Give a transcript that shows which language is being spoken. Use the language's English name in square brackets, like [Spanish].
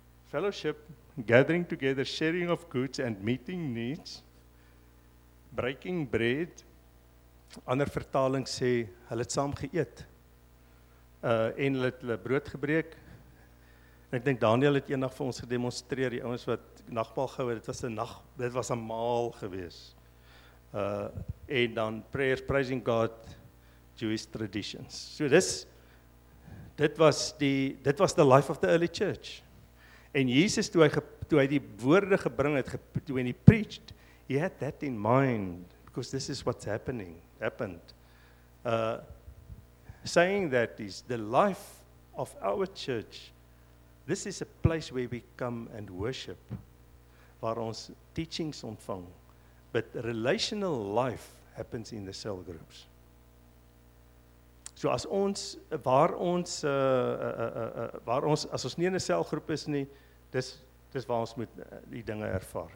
[English] fellowship, gathering together, sharing of goods, and meeting needs, breaking bread, [Afrikaans] ander vertaling sê, hulle het saam geëet, en hulle het hulle brood gebreek. Ek dink Daniel het eendag vir ons gedemonstreer, die ouens wat nagmaal gehou het, dit was 'n maal gewees. [English] En dan prayers, praising God, Jewish traditions. So [Afrikaans] dit was [English] the life of the early church. [Afrikaans] En Jesus, toe hy [English] die woorde gebring het, toe hy preached, he had that in mind, because this is what's happened. Saying that is the life of our church. This is a place where we come and worship, [Afrikaans] waar ons teachings ontvang, [English] but relational life happens in the cell groups. [Afrikaans] So as ons, as ons nie in 'n selgroep is nie, dis waar ons moet die dinge ervaar.